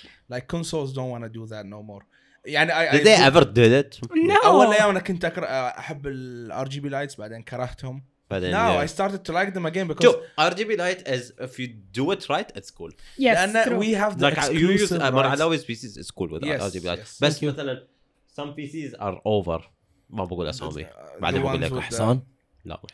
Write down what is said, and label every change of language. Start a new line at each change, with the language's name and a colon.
English: Like consoles don't want to do that no more. Did they ever do it? No.
Arabic: أول أيام أنا كنت أحب ال RGB lights. بعدين كرهتهم.
English: Now I started to like them again because RGB light is, if you do it right, it's cool. Yes. And we have the like exclusive. You use Marhalawi's PCs. It's cool with RGB light. Yes. But some PCs are over.
Arabic: ما بقول أسامي. بعدين بقول لك أحسن. لا